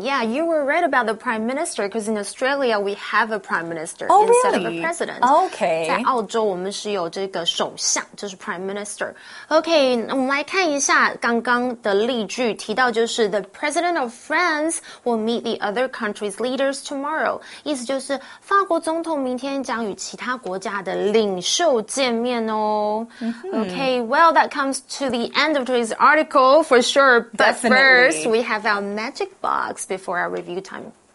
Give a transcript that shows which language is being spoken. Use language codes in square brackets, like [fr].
[en] Yeah, you were right about the prime minister, because in Australia, we have a prime minister instead of a president. Okay. [zh] 在澳洲我们是有这个首相，就是 prime minister. [en] Okay, [zh] 我们来看一下刚刚的例句，提到就是 [en] the president of France will meet the other country's leaders tomorrow. [zh] 意思就是法国总统明天将与其他国家的领袖见面哦。 [en] Okay, well, that comes to the end of today's article for sure, but first, we have our magic box before our review time.